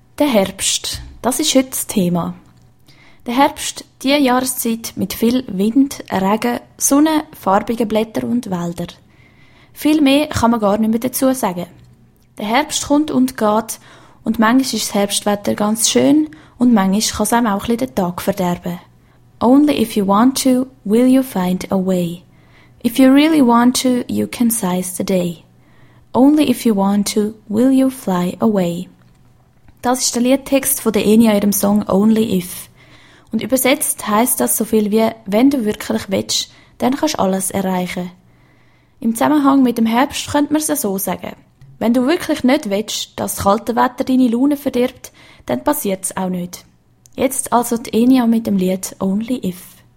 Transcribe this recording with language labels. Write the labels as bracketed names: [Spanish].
[German] Der Herbst, das ist heute das Thema. Der Herbst, die Jahreszeit mit viel Wind, Regen, Sonne, farbigen Blättern und Wäldern. Viel mehr kann man gar nicht mehr dazu sagen. Der Herbst kommt und geht und manchmal ist das Herbstwetter ganz schön und manchmal kann es einem auch ein bisschen den Tag verderben. [English] Only if you want to, will you find a way. If you really want to, you can seize the day. Only if you want to, will you fly away. [German] Das ist der Liedtext von der Enya in ihrem Song Only If. Und übersetzt heisst das so viel wie, wenn du wirklich willst, dann kannst du alles erreichen. Im Zusammenhang mit dem Herbst könnte man es so sagen. Wenn du wirklich nicht willst, dass das kalte Wetter deine Laune verdirbt, dann passiert es auch nicht. Jetzt also die Enya mit dem Lied Only If.